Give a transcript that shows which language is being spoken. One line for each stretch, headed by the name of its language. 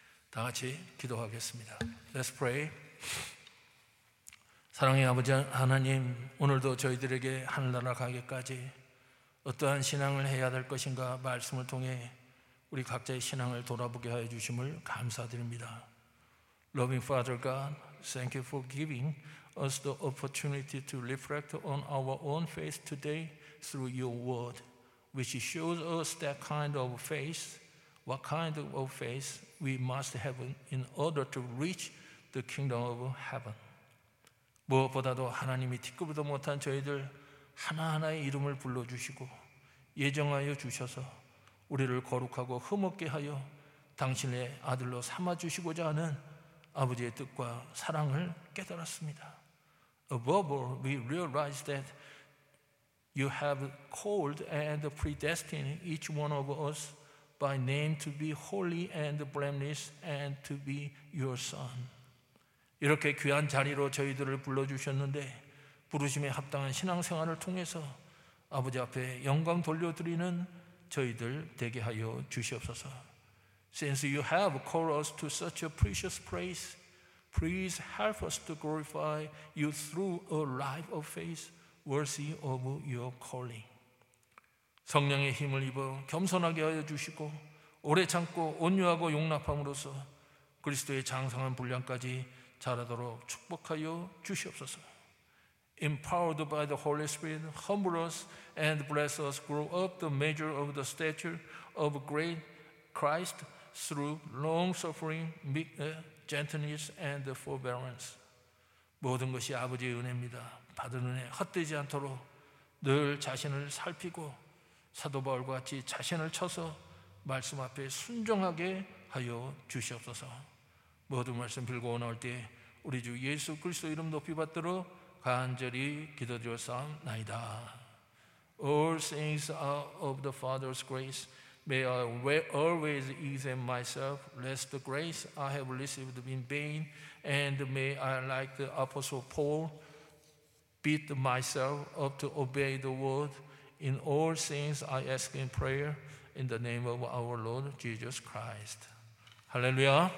Korean: 다 같이 기도하겠습니다.
English: Let's pray.
Korean: 사랑의 아버지 하나님, 오늘도 저희들에게 하늘나라 가기까지 어떠한 신앙을 해야 될 것인가 말씀을 통해 우리 각자의 신앙을 돌아보게 하여 주심을 감사드립니다.
English: Loving Father God, thank you for giving us the opportunity to reflect on our own faith today through your word, which shows us that kind of faith, what kind of faith we must have in order to reach the kingdom of heaven.
Korean: 무엇보다도 하나님이 티끌도 못한 저희들 하나하나의 이름을 불러주시고 예정하여 주셔서 우리를 거룩하고 흠없게 하여 당신의 아들로 삼아주시고자 하는 아버지의 뜻과 사랑을 깨달았습니다.
English: Above all, we realize that you have called and predestined each one of us by name to be holy and blameless and to be your son.
Korean: 이렇게 귀한 자리로 저희들을 불러주셨는데 부르심에 합당한 신앙생활을 통해서 아버지 앞에 영광 돌려드리는 저희들 되게 하여 주시옵소서.
English: Since you have called us to such a precious place, please help us to glorify you through a life of faith worthy of your calling.
Korean: 성령의 힘을 입어 겸손하게 하여 주시고 오래 참고 온유하고 용납함으로써 그리스도의 장성한 분량까지 자라도록 축복하여 주시옵소서.
English: Empowered by the Holy Spirit, humble us and bless us, grow up the measure of the stature of great Christ through long suffering, gentleness, and forbearance.
Korean: 모든 것이 아버지의 은혜입니다. 받은 은혜 헛되지 않도록 늘 자신을 살피고 사도 바울과 같이 자신을 쳐서 말씀 앞에 순종하게 하여 주시옵소서. 모든 말씀 빌고 나올 때 우리 주 예수 그리스도 이름 높이 받들어 간절히 기도드렸사옵나이다.
English: All things are of the Father's grace. May I always examine myself, lest the grace I have received be in vain, and may I, like the Apostle Paul, beat myself up to obey the word. In all things I ask in prayer, in the name of our Lord Jesus Christ. Hallelujah.